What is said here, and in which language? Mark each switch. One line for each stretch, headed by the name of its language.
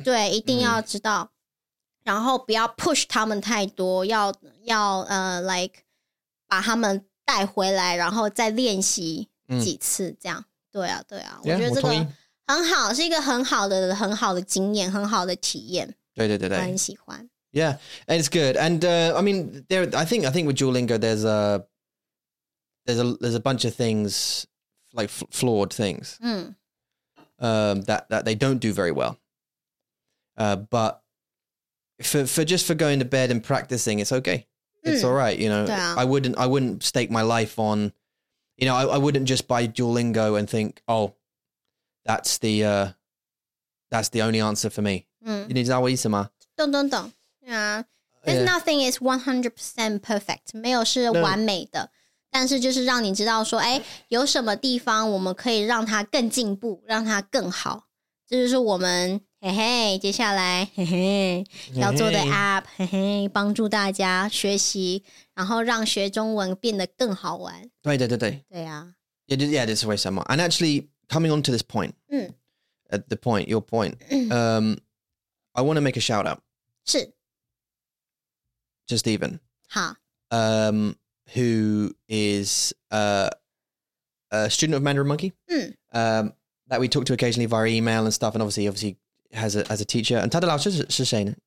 Chinese: 对，一定要知道，然后不要 push 他们太多，要like 把他们带回来，然后再练习几次，这样。对啊，对啊，
English: yeah,
Chinese: 我觉得这个很好，是一个很好的经验，很好的体验。对对对对，很喜欢。
English: Yeah, and it's good. And I mean, I think with Duolingo, there's a bunch of things, like flawed things, that they don't do very well. But for going to bed and practicing, it's okay. It's all right, you know. Yeah. I wouldn't stake my life on, you know, I wouldn't just buy Duolingo and think, oh, that's the only answer for me. You need to know what you mean.
Chinese: 懂。
English: Yeah. There's nothing is 100% perfect.
Chinese: 没有是完美的。但是就是让你知道说诶有什么地方我们可以让它更进步让它更好。这就是我们嘿嘿接下来嘿嘿要做的 app, 嘿嘿帮助大家学习然后让学中文变得更好玩。对对对对。对啊。
English: Yeah, this is why some more. And actually, coming on to this point, at the point, your point, I want to make a shout out.
Chinese: 是。
English: To Stephen, who is a student of Mandarin Monkey, that we talk to occasionally via email and stuff, and obviously has a teacher. And
Chinese: 他的老师是谁呢?